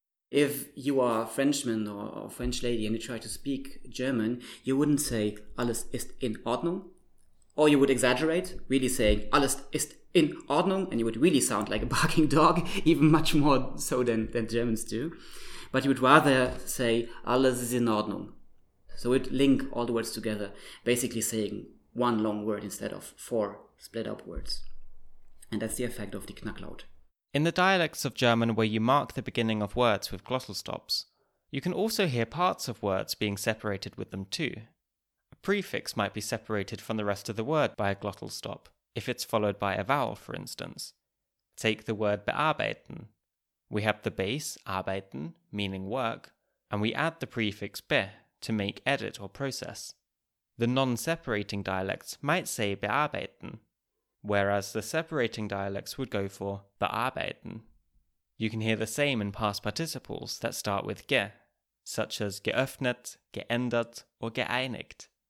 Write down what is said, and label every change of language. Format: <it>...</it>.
<en>If you are a Frenchman or a French lady and you try to speak German, you wouldn't say</en> <de>alles ist in Ordnung.</de> <en>Or you would exaggerate, really saying</en> <de>alles ist in Ordnung,</de> <en>and you would really sound like a barking dog, even much more so than Germans do. But you would rather say</en> <de>alles ist in Ordnung.</de> <en>So it link all the words together, basically saying one long word instead of four split up words. And that's the effect of the Knacklaut. In the dialects of German where you mark the beginning of words with glottal stops, you can also hear parts of words being separated with them too. A prefix might be separated from the rest of the word by a glottal stop, if it's followed by a vowel, for instance. Take the word bearbeiten. We have the base, arbeiten, meaning work, and we add the prefix be to make edit or process. The non-separating dialects might say bearbeiten, whereas the separating dialects would go for bearbeiten. You can hear the same in past participles that start with ge, such as geöffnet, geändert, or geeinigt.</en>